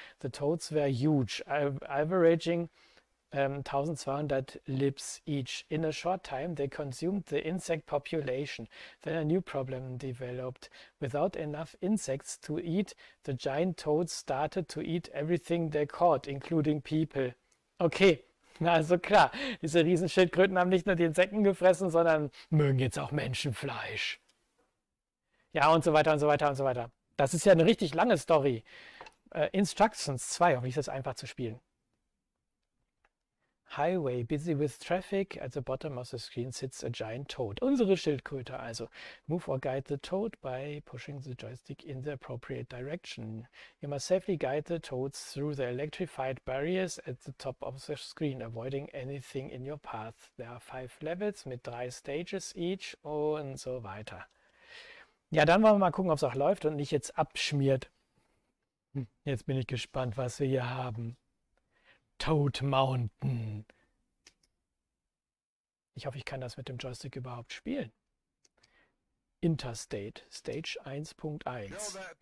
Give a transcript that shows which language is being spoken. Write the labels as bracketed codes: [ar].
[en] The toads were huge, averaging 1200 lips each. In a short time, they consumed the insect population. Then a new problem developed. Without enough insects to eat, the giant toads started to eat everything they caught, including people. [de] Okay, also klar, diese Riesenschildkröten haben nicht nur die Insekten gefressen, sondern mögen jetzt auch Menschenfleisch. Ja, und so weiter und so weiter und so weiter. Das ist ja eine richtig lange Story. Instructions 2, hoffentlich ist das einfach zu spielen. [en] Highway, busy with traffic. At the bottom of the screen sits a giant toad. [de] Unsere Schildkröte also. [en] Move or guide the toad by pushing the joystick in the appropriate direction. You must safely guide the toads through the electrified barriers at the top of the screen, avoiding anything in your path. There are five levels [de] mit drei [en] Stages each [de] und so weiter. Ja, dann wollen wir mal gucken, ob es auch läuft und nicht jetzt abschmiert. Jetzt bin ich gespannt, was wir hier haben. [en] Toad Mountain. [de] Ich hoffe, ich kann das mit dem Joystick überhaupt spielen. Interstate, Stage 1.1.